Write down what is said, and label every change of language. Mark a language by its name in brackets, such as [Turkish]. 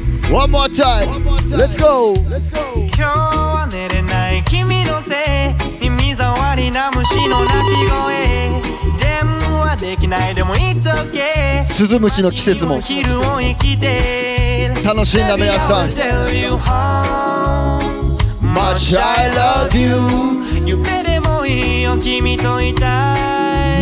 [English] One more time, let's go! [Japanese] 今日は寝れない君のせい、耳障りな虫の鳴き声、電話できないでも [English] It's OK。 [Japanese] スズムシの季節も昼を生きて楽しんだ皆さん。 [English] Baby, I will tell you how much I love you。 [Japanese] 夢でもいいよ、君といたい。